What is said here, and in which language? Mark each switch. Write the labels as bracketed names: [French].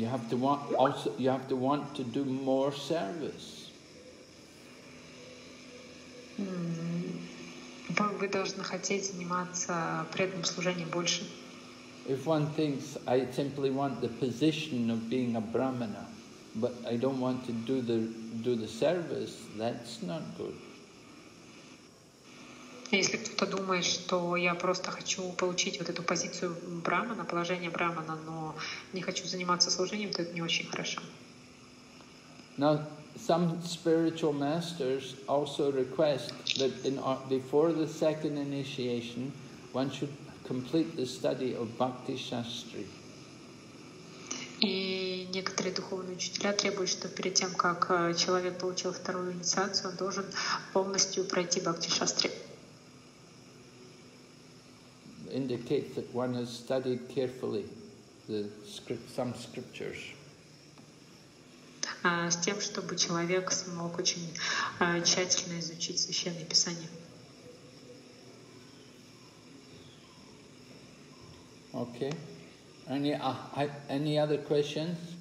[English] You have to want also, you have to want to do more service. [Russian] Вы должны хотеть заниматься преданным служением больше. [English] If one thinks, I simply want the position of being a brahmana, but I don't want to do the service, that's not good. [Russian] Если кто-то думает, что я просто хочу получить вот эту позицию брахмана, положение брахмана, но не хочу заниматься служением, то это не очень хорошо. [English] Now, some spiritual masters also request that before the second initiation, one should complete the study of Bhakti Shastri. [Russian] И некоторые духовные учителя требуют, что перед тем, как человек получил вторую инициацию, он должен полностью пройти Бхакти Шастри. [English] Indicates that one has studied carefully the script, some scriptures. [Russian] С тем, чтобы человек смог очень тщательно изучить Священное Писание. [English] Okay. Any other questions?